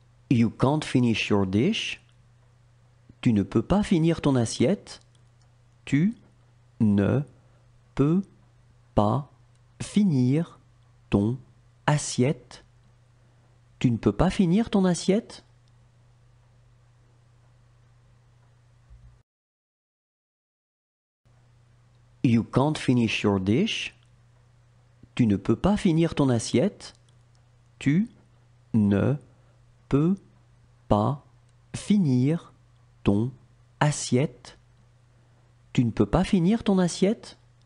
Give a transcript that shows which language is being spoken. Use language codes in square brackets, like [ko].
[en] You can't finish your dish. [fr] Tu ne peux pas finir ton assiette. Tu ne peux pas finir ton assiette. Tu ne peux pas finir ton assiette. [en] You can't finish your dish. [fr] Tu ne peux pas finir ton assiette. Tu ne peux pas finir ton assiette. Tu ne peux pas finir ton assiette.